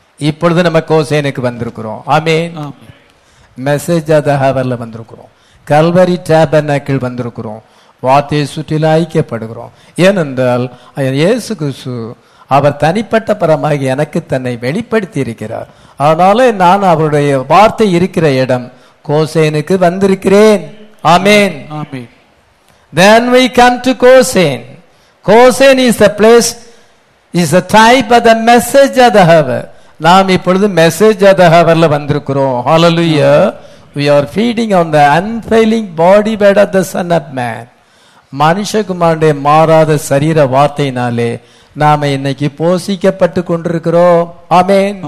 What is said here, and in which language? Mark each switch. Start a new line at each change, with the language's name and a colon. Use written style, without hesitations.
Tamil: இப்பொழுது நம்ம கோசேனுக்கு வந்திருக்கிறோம். ஆமென். மெசேஜ் தகவல்ல வந்திருக்கிறோம், கல்வரி டேபர்நாக்கில் வந்திருக்கிறோம், வார்த்தையை சுற்றில ஐக்கியப்படுகிறோம். ஏனென்றால் இயேசு கிறிஸ்து அவர் தனிப்பட்ட பரமாக எனக்கு தன்னை வெளிப்படுத்தி இருக்கிறார். அதனால நான் அவருடைய வார்த்தை இருக்கிற இடம் கோசேனுக்கு வந்திருக்கிறேன்.
English: Amen. Amen. Then we come to Goshen. Goshen is the place, is the type of the message of the hour.
Tamil: நாம் இப்பொழுது message of the hour-ல வந்திருக்கிறோம். Hallelujah.
English: We are feeding on the unfailing body bread of the Son of Man.
Tamil: மனுஷகுமாரனுடைய மாறாத சரீர வார்த்தையினாலே நாம இன்னைக்கு போஷிக்கப்பட்டு கொண்டிருக்கிறோம். ஆமென்,